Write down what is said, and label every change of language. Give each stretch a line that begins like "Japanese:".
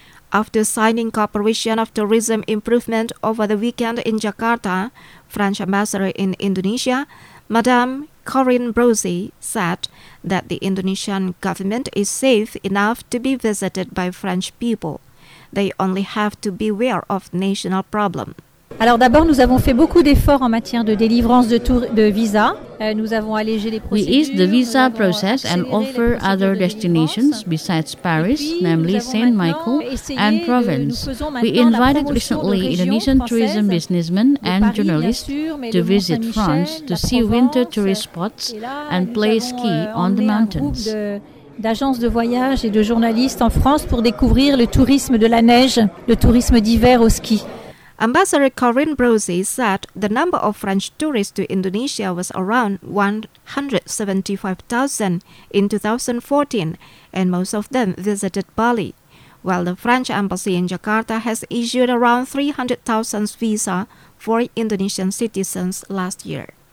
English: After signing cooperation of tourism improvement over the weekend in Jakarta, French ambassador in Indonesia, Madame Corinne Brousey, said that the Indonesian government is safe enough to be visited by French people. They only have to beware of national problems.
French: Alors d'abord, nous avons fait beaucoup d'efforts en matière de délivrance de visa. Nous avons allégé les procédures.
English: We ease the visa process and offer other destinations besides Paris, namely Saint Michael and Provence. We invited recently Indonesian tourism businessmen and journalists to visit France to see winter tourist spots and play ski on the mountains.
French: D'agences de voyage et de journalistes en France pour découvrir le tourisme de la neige, le tourisme d'hiver au ski.
English: Ambassador Corinne Brousey said the number of French tourists to Indonesia was around 175,000 in 2014, and most of them visited Bali, while the French embassy in Jakarta has issued around 300,000 visa for Indonesian citizens last year.